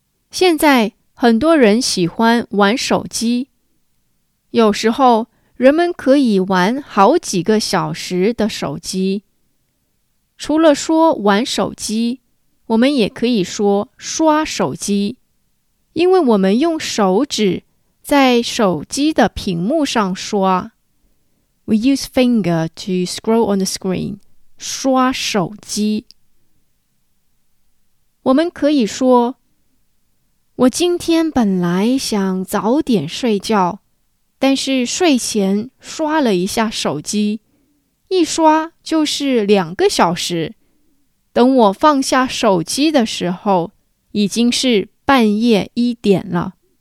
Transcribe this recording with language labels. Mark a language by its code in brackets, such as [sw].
[zh] 现在很多人喜欢玩手机，有时候人们可以玩好几个小时的手机。除了说玩手机，我们也可以说刷手机，因为我们用手指在手机的屏幕上刷。 [en] We use finger to scroll on the screen. [zh] 刷手机。我们可以说我今天本来想早点睡觉，但是睡前刷了一下手机，一刷就是两个小时。等我放下手机的时候，已经是半夜一点了。